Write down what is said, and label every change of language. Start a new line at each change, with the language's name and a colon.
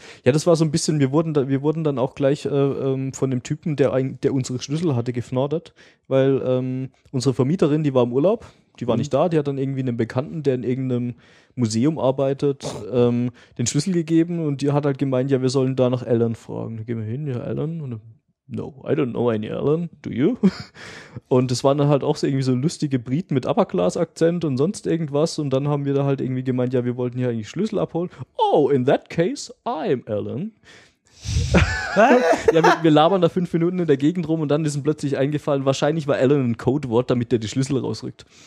German: Ja, das war so ein bisschen, wir wurden dann auch gleich von dem Typen, der unsere Schlüssel hatte, gefnordert, weil unsere Vermieterin, die war im Urlaub, die war nicht da, die hat dann irgendwie einem Bekannten, der in irgendeinem Museum arbeitet, den Schlüssel gegeben und die hat halt gemeint, ja, wir sollen da nach Alan fragen. Gehen wir hin, ja, Alan? Und
English: no, I don't know any Alan, do you?
German: Und es waren dann halt auch so irgendwie so lustige Briten mit Upper Class Akzent und sonst irgendwas. Und dann haben wir da halt irgendwie gemeint, ja, wir wollten hier eigentlich Schlüssel abholen.
English: Oh, in that case, I'm Alan.
German: Ja, wir labern da 5 Minuten in der Gegend rum und dann ist ihm plötzlich eingefallen, wahrscheinlich war Alan ein Codewort, damit der die Schlüssel rausrückt.